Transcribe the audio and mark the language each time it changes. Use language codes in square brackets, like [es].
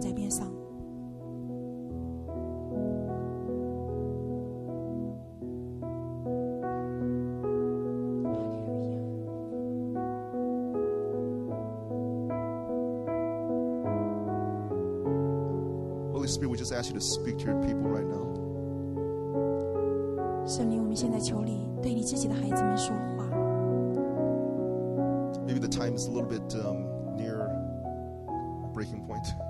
[en] Spirit, we just ask you to speak to your people right now. [zh] 圣灵，我们现在求你对你自己的孩子们说话。 [en] Maybe the time is a little bit near breaking point.